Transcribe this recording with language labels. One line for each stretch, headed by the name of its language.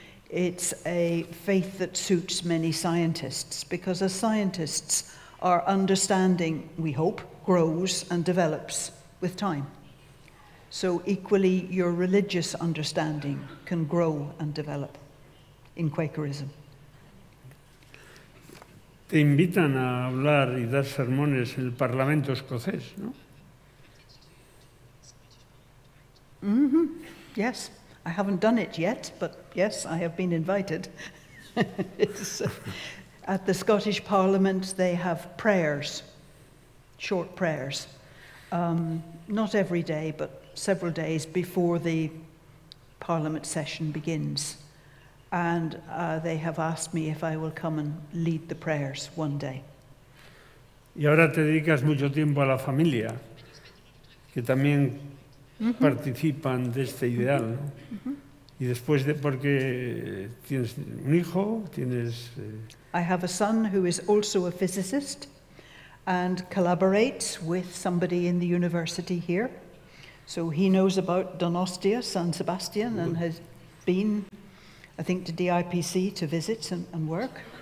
English: It's a faith that suits many scientists, because as scientists, our understanding, we hope, grows and develops with time. So equally, your religious understanding can grow and develop in Quakerism.
Spanish: Te invitan a hablar y dar sermones en el Parlamento escocés, ¿no? Mm-hmm.
English: Yes, I haven't done it yet, but yes, I have been invited. At the Scottish Parliament, they have prayers, short prayers, not every day, but several days before the Parliament session begins. And they have asked me if I will come and lead the prayers one day.
Spanish: Y ahora te dedicas mucho tiempo a la familia, que también mm-hmm. participan de este ideal, ¿no? Mm-hmm. Y después de porque tienes un hijo, tienes.
English: I have a son who is also a physicist, and collaborates with somebody in the university here, so he knows about Donostia, San Sebastian, and has been. I think to DIPC to visit and work.